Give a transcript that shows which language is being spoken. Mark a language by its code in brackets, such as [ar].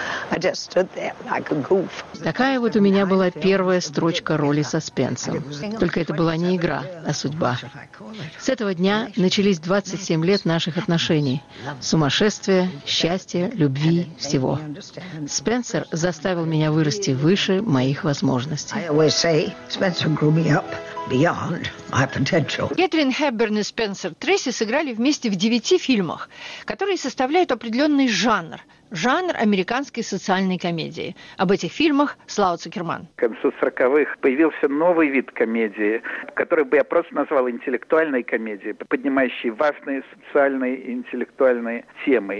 [en] I just stood there like a goof. [ru] Такая вот у меня была первая строчка роли со Спенсом. Только это была не игра, а судьба. С этого дня начались 27 лет наших отношений. Сумасшествие, счастье, любви, всего. Спенсер заставил меня вырасти выше моих возможностей. [en] I always say, Spencer grew me up beyond my potential. [ru] Кэтрин Хепберн и Спенсер Тресси сыграли вместе в 9 фильмах, которые составляют определенный жанр. Жанр американской социальной комедии. Об этих фильмах Слава Цукерман. К концу 40-х появился новый вид комедии, который бы я просто назвал интеллектуальной комедией, поднимающей важные социальные и интеллектуальные темы.